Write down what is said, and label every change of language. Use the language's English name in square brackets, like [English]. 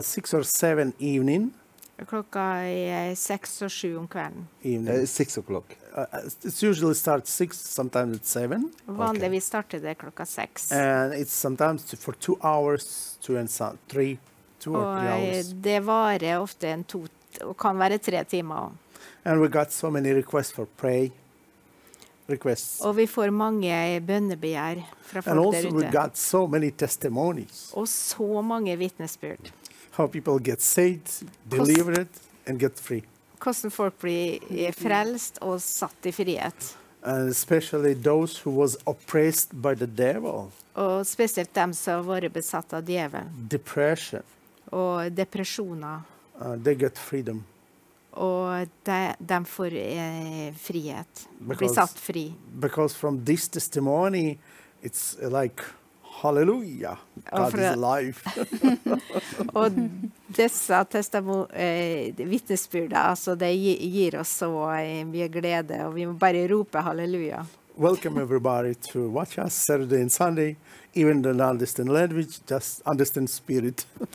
[English] 6 or 7 evening. [Norwegian] Klokka er 6 or 7 om kvelden. [English] Evening. 6 o'clock. It usually starts 6, sometimes it's 7. [Norwegian] Vanligvis starter det klokka 6. [English] And it's sometimes for 2 hours, two or three hours. [Norwegian] Det varer ofte en to, og kan være 3 timer også. [English] And we got so many requests for prayer. [Norwegian] Og vi får mange bønnebegjær fra folk der ute. And [English] also we got so many testimonies. [Norwegian] Og så mange vitnesbyrd. [English] How people get saved, delivered, and get free. [Norwegian] Hvordan folk blir frelst og satt i frihet. [English] And especially those who was oppressed by the devil. [Norwegian] Og spesielt dem som har vært besatt av djevel. [English] Depression. [Norwegian] Og depresjoner. [English] They get freedom. [Norwegian] Og de får frihet. Because, blir satt fri. [English] Because from this testimony, it's like... Halleluja, God is alive. [Norwegian] Og disse vitnesbyrdene, altså det gir oss så mye glede, og vi må bare rope halleluja. [English] Welcome everybody to watch us Saturday and Sunday, even the non-distant language, just understand spirit.